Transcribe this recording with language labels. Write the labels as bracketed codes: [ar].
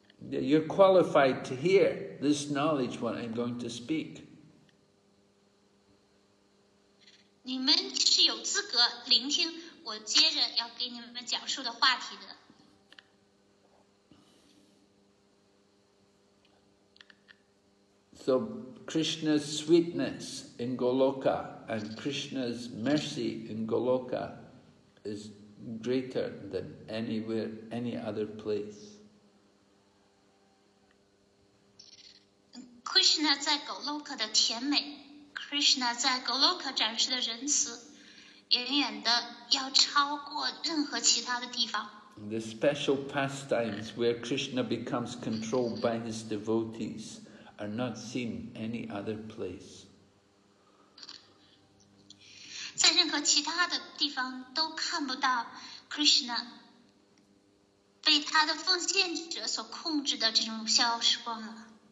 [en] You're qualified to hear this knowledge when I'm going to speak. [zh] 你们是有资格聆听我接着要给你们讲述的话题的。 [en] So Krishna's sweetness in Goloka and Krishna's mercy in Goloka is greater than anywhere, any other place. [zh] Krishna 在 Goloka 的甜美 ，Krishna 在 Goloka 展示的仁慈，远远的要超过任何其他的地方。 [en] The special pastimes where Krishna becomes controlled by his devotees are not seen any other place. [zh] 在任何其他的地方都看不到 Krishna 被他的奉献者所控制的这种逍遥时光了。